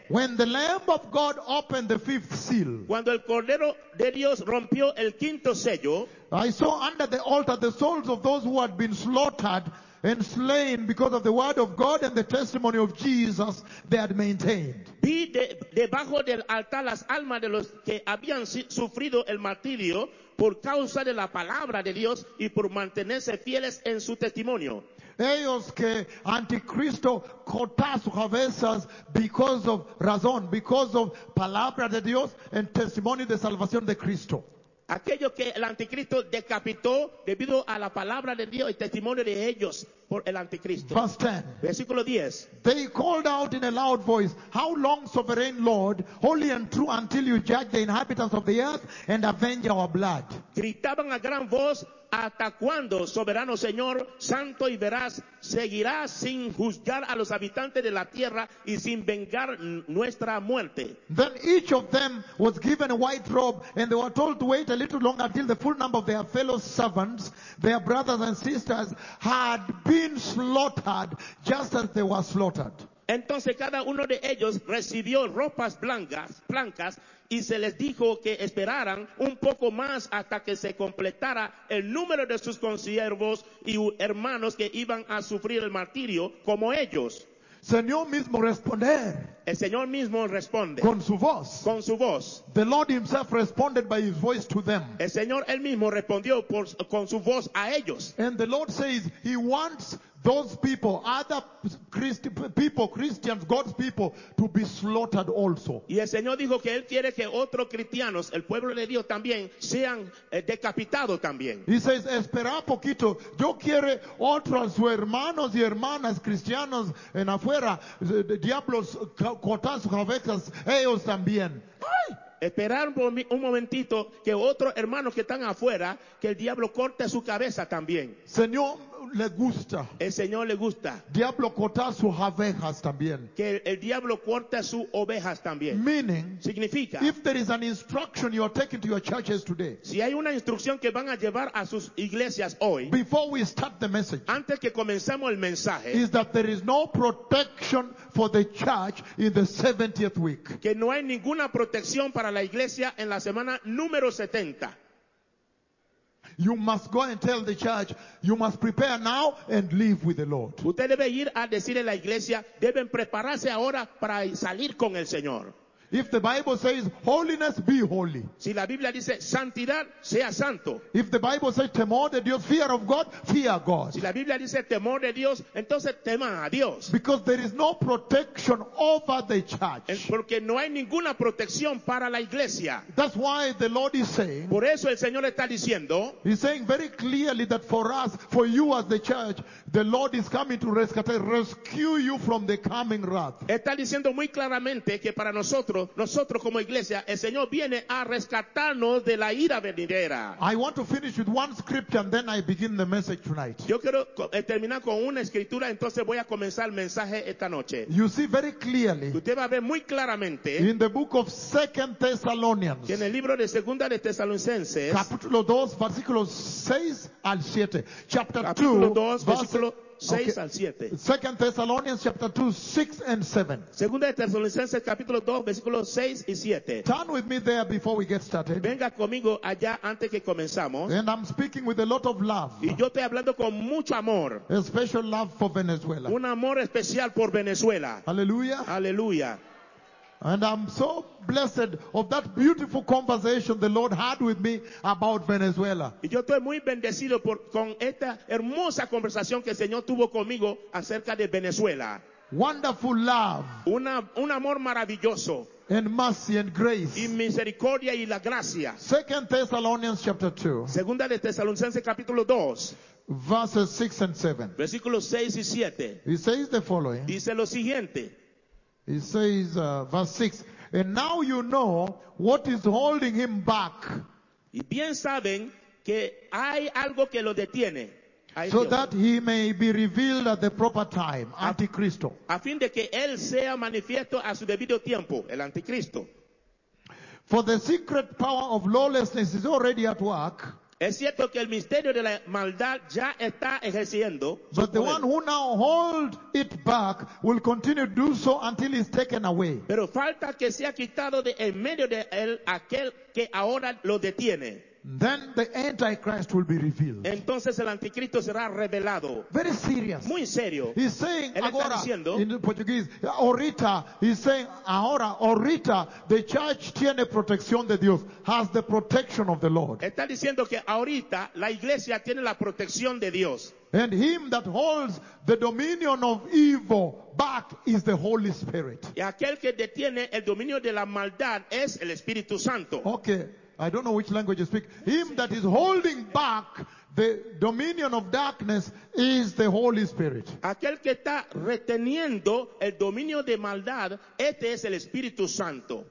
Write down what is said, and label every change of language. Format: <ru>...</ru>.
<en>When the Lamb of God opened the fifth seal.</en> <es>Cuando el Cordero de Dios rompió el quinto sello.</es> <en>I saw under the altar the souls of those who had been slaughtered and slain because of the word of God and the testimony of Jesus they had maintained.</en> <es>Vi debajo del altar las almas de los que habían sufrido el martirio por causa de la palabra de Dios y por mantenerse fieles en su testimonio. Ellos que anticristo corta sus cabezas</es> <en>because of</en> <es>razón, because of palabra de Dios and testimony de salvación de Cristo. Aquello que el anticristo decapitó debido a la palabra de Dios y testimonio de ellos por el anticristo.</es> <en>Verse 10.</en> <es>Versículo 10.</es> <en>They called out in a loud voice, "How long, sovereign Lord, holy and true, until you judge the inhabitants of the earth and avenge our blood?"</en> <es>Gritaban a gran voz, "¿Hasta cuándo, soberano Señor, santo y veraz, seguirás sin juzgar a los habitantes de la tierra y sin vengar nuestra muerte?"</es> <en>Then each of them was given a white robe, and they were told to wait a little longer until the full number of their fellow servants, their brothers and sisters, had been slaughtered just as they were slaughtered.</en> <es>Entonces cada uno de ellos recibió ropas blancas y se les dijo que esperaran un poco más hasta que se completara el número de sus consiervos y hermanos que iban a sufrir el martirio como ellos. Señor mismo responder. El Señor mismo responde. Con su voz. Con su voz.</es> <en>The Lord himself responded by his voice to them.</en> <es>El Señor él mismo respondió con su voz a ellos.</es> <en>And the Lord says he wants those people, other Christians, God's people, to be slaughtered also.</en> <es>Y el Señor dijo que él quiere que otros cristianos, el pueblo de Dios también, sean decapitados también.</es> <en>He says,</en> <es>espera poquito, yo quiero otros hermanos y hermanas cristianos en afuera, diablos cortar sus cabezas, ellos también. ¡Ay! Esperar un momentito que otros hermanos que están afuera, que el diablo corte su cabeza también. Señor, le gusta. El Señor le gusta. Diablo corta sus ovejas también. Que el diablo corta sus ovejas también.</es> <en>Meaning,</en> <es>significa.</es> <en>If there is an instruction you are taking to your churches today.</en> <es>Si hay una instrucción que van a llevar a sus iglesias hoy.</es> <en>Before we start the message.</en> <es>Antes que comencemos el mensaje.</es> <en>Is that there is no protection for the church in the 70th week.</en> <es>Que no hay ninguna protección para la iglesia en la semana número 70.</es> <en>You must go and tell the church, you must prepare now and leave with the Lord.</en> <es>Usted debe ir a decirle a la iglesia, deben prepararse ahora para salir con el Señor.</es> <en>If the Bible says holiness, be holy.</en> <es>Si la Biblia dice santidad, sea santo.</es> <en>If the Bible says</en> <es>temor de Dios,</es> <en>fear of God, fear God.</en> <es>Si la Biblia dice temor de Dios, entonces tema a Dios.</es> <en>Because there is no protection over the church.</en> <es>Porque no hay ninguna protección para la iglesia.</es> <en>That's why the Lord is saying.</en> <es>Por eso el Señor está diciendo.</es> <en>He's saying very clearly that for us, for you as the church, the Lord is coming to rescue you from the coming wrath.</en> <es>Está diciendo muy claramente que para nosotros como iglesia, el Señor viene a rescatarnos de la ira venidera.</es> <en>I want to finish with one scripture and then I begin the message tonight.</en> <es>Yo quiero terminar con una escritura, entonces voy a comenzar el mensaje esta noche.</es> <en>You see very clearly.</en> <es>Usted va a ver muy claramente.</es> <en>In the book of 2 Thessalonians.</en> <es>En el libro de Segunda de Tesalonicenses. Capítulo 2, versículos 6 al 7. Chapter 2, versículo 6 al 7.</es> <en>2 Thessalonians chapter 2, 6 and 7.</en> <es>Segunda de Tesalonicenses capítulo 2, versículos 6 y 7.</es> <en>Turn with me there before we get started.</en> <es>Venga conmigo allá antes que comenzamos.</es> <en>And I'm speaking with a lot of love.</en> <es>Y yo estoy hablando con mucho amor.</es> <en>A special love for Venezuela.</en> <es>Un amor especial por Venezuela.</es> <en>Hallelujah.</en> <es>Hallelujah.</es> <en>And I'm so blessed of that beautiful conversation the Lord had with me about Venezuela.</en> <es>Y yo estoy muy bendecido con esta hermosa conversación que el Señor tuvo conmigo acerca de Venezuela.</es> <en>Wonderful love.</en> <es>Un amor maravilloso.</es> <en>And mercy and grace.</en> <es>Y misericordia y la gracia.</es> <en>2 Thessalonians chapter 2.</en> <es>Segunda de Tesalonicenses capítulo 2.</es> <en>Verses 6 and 7.</en> <es>Versículos 6 y 7.</es> <en>He says the following.</en> <es>Dice lo siguiente.</es> <en>He says, verse 6, and now you know what is holding him back.</en> <es>Y bien saben que hay algo que lo detiene.</es> <en>So that he may be revealed at the proper time, Antichristo.</en> <es>A fin de que él sea manifiesto a su debido tiempo, el Anticristo.</es> <en>For the secret power of lawlessness is already at work.</en> <es>Es cierto que el misterio de la maldad ya está ejerciendo.</es> <en>But the one who now holds it back will continue to do so until it's taken away.</en> <es>Pero falta que sea quitado de en medio de él aquel que ahora lo detiene.</es> <en>Then the Antichrist will be revealed.</en> <es>Entonces el anticristo será revelado.</es> <en>Very serious.</en> <es>Muy serio.</es> <en>He's saying</en> <pt>agora,</pt> <es>diciendo,</es> <en>in Portuguese, ahorita, he's saying</en> <es>ahora, ahorita,</es> <en>the church</en> <es>tiene protección de Dios,</es> <en>has the protection of the Lord.</en> <es>Está diciendo que ahorita la iglesia tiene la protección de Dios.</es> <en>And him that holds the dominion of evil back is the Holy Spirit.</en> <es>Y aquel que detiene el dominio de la maldad es el Espíritu Santo.</es> <en>Okay. I don't know which language you speak. Him that is holding back the dominion of darkness is the Holy Spirit.</en> <es>Aquel que está reteniendo el dominio de maldad, este es el Espíritu Santo.</es>